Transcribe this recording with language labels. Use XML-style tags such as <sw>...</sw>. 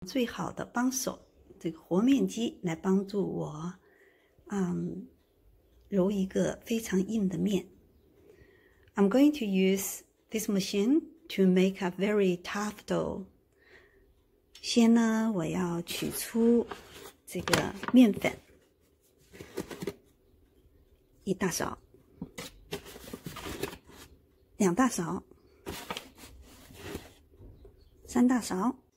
<zh>最好的帮手，这个和面机来帮助我，揉一个非常硬的面。</zh> <en>I'm going to use this machine to make a very tough dough。</en> <zh>先呢，我要取出这个面粉，一大勺，两大勺，三大勺。</zh>